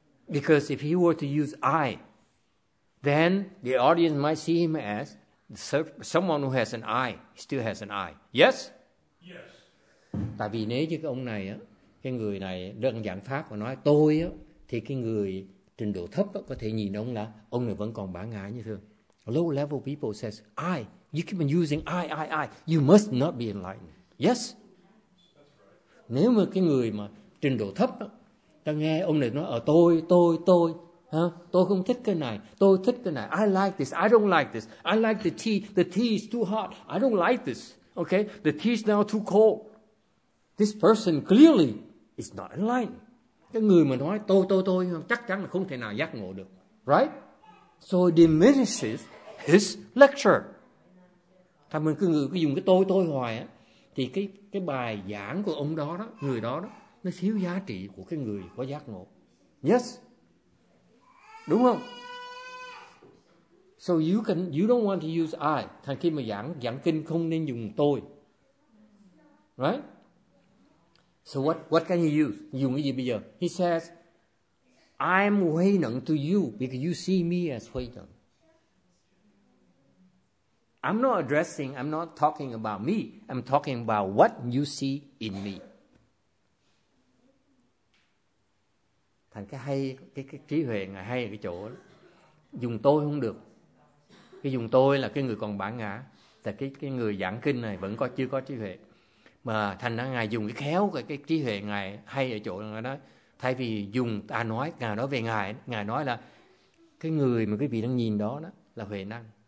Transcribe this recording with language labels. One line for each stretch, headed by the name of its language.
English: Because if he were to use I, then the audience might see him as someone who has an I, he still has an I. Yes? Yes.
Vietnamese: Tại vì nếu như cái ông này á, cái người này đơn giản pháp và nói tôi á, thì cái người trình độ thấp á, có thể nhìn ông là ông này vẫn còn bản ngã như thường.
English: Low level people says I, you keep on using I, you must not be enlightened. Yes.
Vietnamese: Nếu mà cái người mà trình độ thấp á, ta nghe ông này nói tôi, ha? Tôi không thích cái này, tôi thích cái này.
English: I like this, I don't like this. I like the tea is too hot. I don't like this. Okay, the tea is now too cold. This person clearly is not enlightened.
Vietnamese: Cái người mà nói tôi, chắc chắn là không thể nào giác ngộ được.
English: Right? So it diminishes his lecture.
Vietnamese: Thà mình cứ người cứ dùng cái tôi hoài á, thì cái bài giảng của ông đó đó, người đó đó, nó thiếu giá trị của cái người có giác ngộ.
English: Yes?
Vietnamese: Đúng không?
English: So you don't want to use I.
Vietnamese: Thành khi mà giảng kinh không nên dùng tôi.
English: Right? So what can you use?
Vietnamese: Dùng cái gì bây giờ?
English: He says, I'm Huy Nẫn to you because you see me as Huy Nẫn. I'm not addressing, I'm not talking about me. I'm talking about what you see in me.
Vietnamese: Thành cái hay, cái trí huệ ngài hay ở cái chỗ đó. Dùng tôi không được. Cái dùng tôi là cái người còn bản ngã. Tại cái người giảng kinh này vẫn chưa có trí huệ. Mà thành ra ngài dùng cái khéo cái trí huệ ngài hay ở chỗ ngài đó, thay vì dùng ta nói, ngài nói về ngài, ngài nói là cái người mà quý vị đang nhìn đó là Huệ Năng.